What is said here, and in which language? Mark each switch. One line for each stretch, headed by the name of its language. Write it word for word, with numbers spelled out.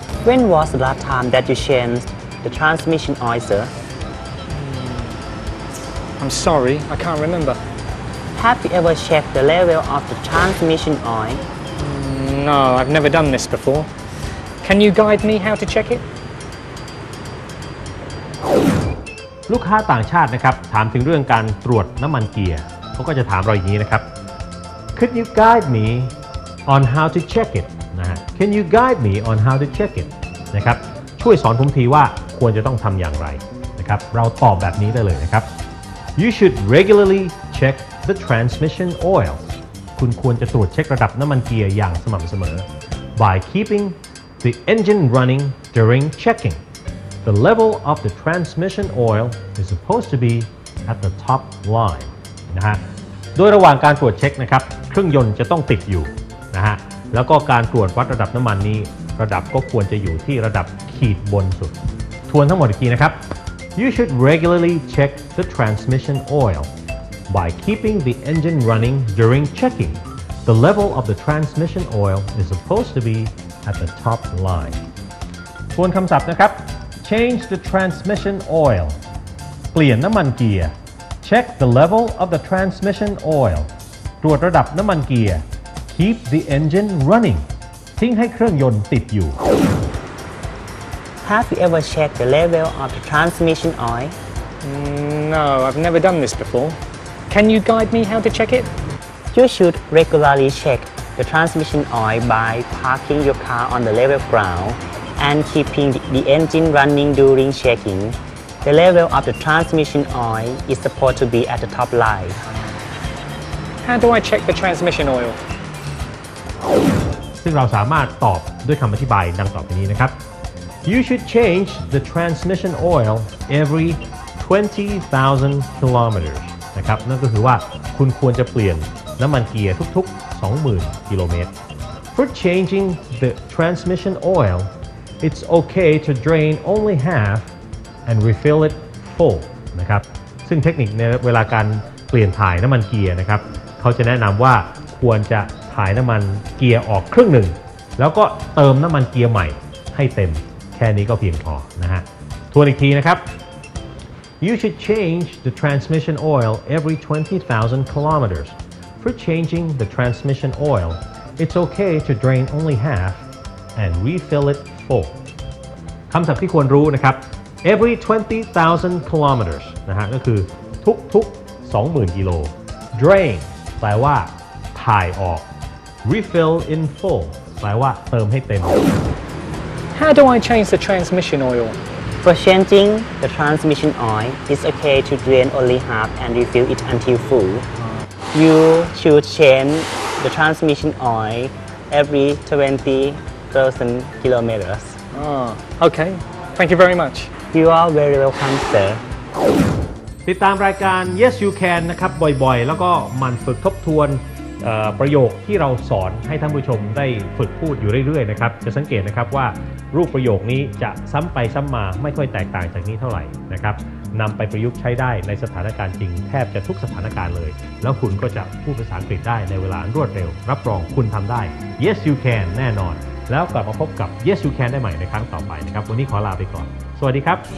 English: When was the last time that you changed the transmission oil, sir? I'm sorry, I can't remember. Have you ever checked the level of the transmission oil? No, I've never done this before. Can you guide me how to check it?
Thai: ลูกค้าต่างชาตินะครับถามถึงเรื่องการตรวจน้ำมันเกียร์เขาก็จะถามเราอย่างนี้นะครับ
English: Could you guide me on how to check it? Can you guide me on how to check it?
Thai: นะครับช่วยสอนผมทีว่าควรจะต้องทำอย่างไรนะครับเราตอบแบบนี้ได้เลยนะครับ
English: You should regularly check the transmission oil.
Thai: คุณควรจะตรวจเช็คระดับน้ำมันเกียร์อย่างสม่ำเสมอ
English: by keeping the engine running during checking. The level of the transmission oil is supposed to be at the top line.
Thai: นะฮะโดยระหว่างการตรวจเช็คนะครับเครื่องยนต์จะต้องติดอยู่นะฮะแล้วก็การตรวจวัดระดับน้ำมันนี้ระดับก็ควรจะอยู่ที่ระดับขีดบนสุดทวนทั้งหมดอีกทีนะครับ
English: You should regularly check the transmission oil by keeping the engine running during checking. The level of the transmission oil is supposed to be at the top line.
Thai: ทวนคำศัพท์นะครับ
English: Change the transmission oil
Thai: เปลี่ยนน้ำมันเกียร์
English: Check the level of the transmission oil
Thai: ตรวจระดับน้ำมันเกียร์
English: Keep the engine running.
Thai: ทิ้งให้เครื่องยนต์ติดอยู่
English: Have you ever checked the level of the transmission oil? No, I've never done this before. Can you guide me how to check it? You should regularly check the transmission oil by parking your car on the level ground and keeping the engine running during checking. The level of the transmission oil is supposed to be at the top line. How do I check the transmission oil?
Thai: ซึ่งเราสามารถตอบด้วยคำอธิบายดังต่อไปนี้นะครับ
English: You should change the transmission oil every twenty thousand kilometers
Thai: นะครับนั่นก็คือว่าคุณควรจะเปลี่ยนน้ำมันเกียร์ทุกๆ สองหมื่น กิโลเมตร
English: For changing the transmission oil, it's okay to drain only half and refill it full
Thai: นะครับซึ่งเทคนิคในเวลาการเปลี่ยนถ่ายน้ำมันเกียร์นะครับเขาจะแนะนำว่าควรจะถ่ายน้ำมันเกียร์ออกครึ่งหนึ่งแล้วก็เติมน้ำมันเกียร์ใหม่ให้เต็มแค่นี้ก็เพียงพอนะฮะทวนอีกทีนะครับ
English: You should change the transmission oil every twenty thousand kilometers. For changing the transmission oil, it's okay to drain only half and refill it full.
Thai: คำศัพท์ที่ควรรู้นะครับ every ยี่สิบ,000 kilometers นะฮะก็คือทุกๆ สองหมื่น กิโล drain แปลว่าถ่ายออก
English: Refill in full
Thai: แปลว่าเติมให้เต็ม
English: How do I change the transmission oil? For changing the transmission oil, it's okay to drain only half and refill it until full. You should change the transmission oil every twenty thousand kilometers. Oh, okay. Thank you very much. You are very welcome, sir.
Thai: ติดตามรายการ Yes You Can นะครับบ่อยๆแล้วก็มันฝึกทบทวนประโยคที่เราสอนให้ท่านผู้ชมได้ฝึกพูดอยู่เรื่อยๆนะครับจะสังเกตนะครับว่ารูปประโยคนี้จะซ้ำไปซ้ำมาไม่ค่อยแตกต่างจากนี้เท่าไหร่นะครับนำไปประยุกต์ใช้ได้ในสถานการณ์จริงแทบจะทุกสถานการณ์เลยแล้วคุณก็จะพูดภาษาอังกฤษได้ในเวลารวดเร็วรับรองคุณทำได้ Yes you can แน่นอนแล้วกลับมาพบกับ Yes you can ได้ใหม่ในครั้งต่อไปนะครับวันนี้ขอลาไปก่อนสวัสดีครับ